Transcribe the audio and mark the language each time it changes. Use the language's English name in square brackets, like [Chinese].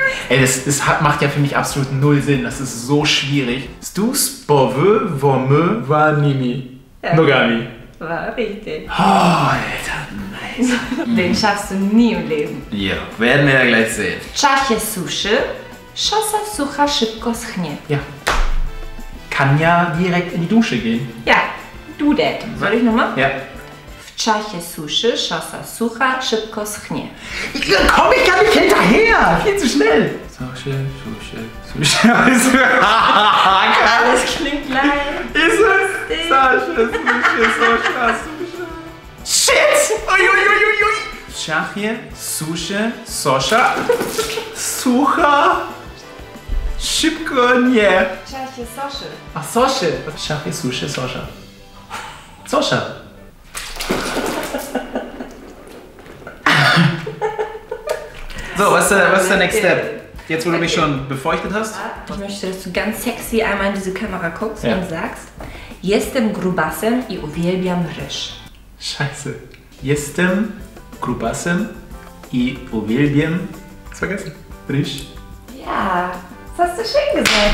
[German] Ey, das hat, macht ja für mich absolut null Sinn. Das ist so schwierig. [Polish] Stus po wybamy nogami. [German] Ja. Nogami. War richtig. Oh, Alter, nice. Den schaffst du nie im Leben. Ja, werden wir ja gleich sehen. [Polish] W czasie suszy, szosa sucha szybko schnie. [German] Ja. Kann ja direkt in die Dusche gehen. Ja. Du, Dad. Soll ich nochmal? Ja. [Polish] W Czasie suszy, szosa sucha, szybko schnie. [German] Komm, ich kann nicht hinterher! Viel zu schnell! Suche, suche, suche. Alles klingt leid. Ist es? Suche, suche, suche, suche. Shit! Uiuiuiui! [Polish] Czasie suszy, szosa, sucha, szybko, nie. Czasie soszy. A soszy. Czasie suszy, szosa. Szosa. [German] So, was ist der [English] Next Step? [German] Jetzt, wo du mich schon befeuchtet hast. Ich möchte, dass du ganz sexy einmal in diese Kamera guckst und sagst: [Polish] Jestem grubasem i uwielbiam ryż. [German] Scheiße. [Polish] Jestem grubasem i uwielbiam. [German] Hast vergessen? Ryż. Ja, das hast du schön gesagt.